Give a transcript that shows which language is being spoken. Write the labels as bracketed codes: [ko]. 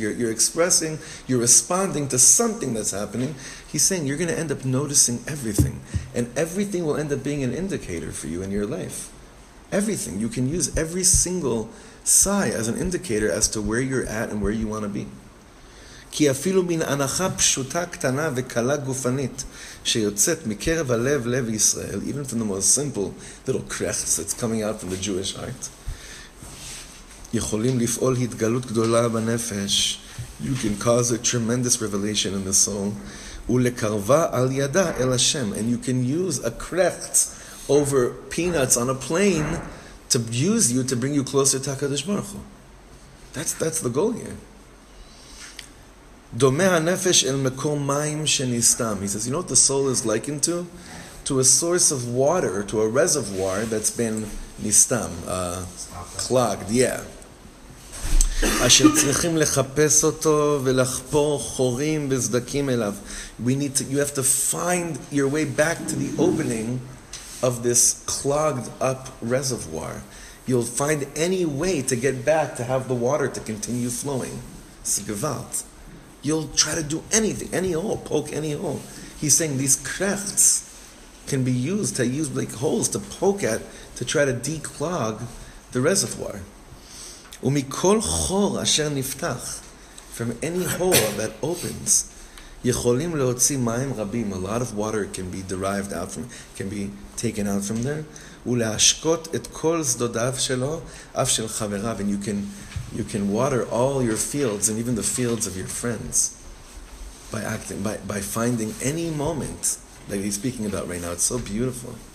[en] You're expressing, you're responding to something that's happening. He's saying you're going to end up noticing everything. And everything will end up being an indicator for you in your life. Everything. You can use every single sigh as an indicator as to where you're at and where you want to be. [he] כי אפילו מן הנחה פשוטה קטנה וקלה גופנית שיוצאת מקרב הלב לב ישראל, [en] even from the most simple little crests that's coming out from the Jewish heart, [he] יכולים לפעול התגלות גדולה בנפש, [en] you can cause a tremendous revelation in the soul, [he] ולקרבה על ידה אל השם, [en] and you can use a crest over peanuts on a plane to use you to bring you closer to HaKadosh Baruch Hu. That's the goal here. [he] דומה הנפש אל מקום מים שנסתם. [en] He says, you know what the soul is likened to? To a source of water, to a reservoir that's been נסתם, clogged, yeah. [he] אשר צריכים לחפש אותו ולחפור חורים וסדקים אליו. [en] You have to find your way back to the opening of this clogged up reservoir. You'll find any way to get back to have the water to continue flowing. Sigvat. You'll try to do anything, any hole, poke any hole. He's saying these krechts can be used to use like holes to poke at, to try to declog the reservoir. [he] ומכל חור אשר נפתח, [en] from any hole that opens, [he] יכולים להוציא מים רבים, [en] a lot of water can be derived out from, can be taken out from there. [he] ולהשקוט את כל שדותיו שלו, אף של חבריו. [en] And you can water all your fields and even the fields of your friends by finding any moment like he's speaking about right now. It's so beautiful.